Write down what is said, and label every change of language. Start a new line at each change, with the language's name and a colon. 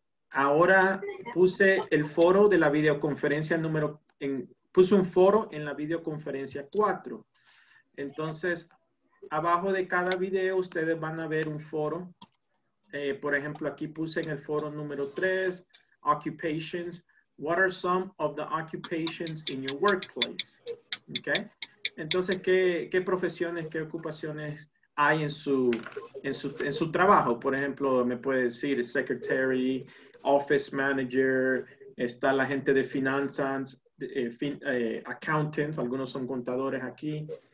Spanish: Ahora puse el foro de la videoconferencia puse un foro en la videoconferencia 4. Entonces, abajo de cada video ustedes van a ver un foro. Por ejemplo, aquí puse en el foro número 3, occupations.
English: What are some of the occupations in your workplace? Okay.
Spanish: Entonces, ¿qué profesiones, qué ocupaciones hay en su trabajo? Por ejemplo, me puede decir secretary, office manager, está la gente de finanzas, accountants, algunos son contadores aquí.